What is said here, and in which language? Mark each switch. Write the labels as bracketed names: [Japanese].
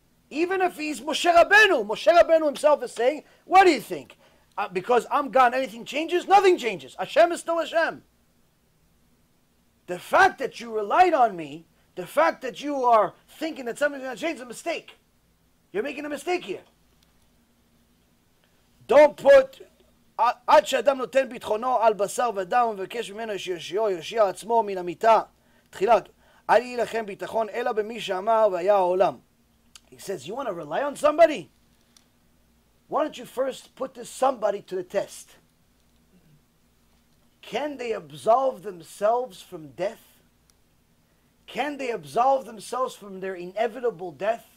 [English] Even if he's Moshe Rabbeinu, Moshe Rabbeinu himself is saying, what do you think? Because I'm gone, anything changes? Nothing changes. Hashem is still Hashem. The fact that you relied on me, the fact that you are thinking that something's going to change is a mistake. You're making a mistake here. Don't put [Hebrew] עד שאדם נותן ביטחונו על בשר ודם ובקש ממנו שישיעו, ישיע עצמו מן המיטה. תחילת, אל יהיה לכם ביטחון אלא במי שאמר והיה העולם. [English] He says, you want to rely on somebody? Why don't you first put this somebody to the test? Can they absolve themselves from death? Can they absolve themselves from their inevitable death?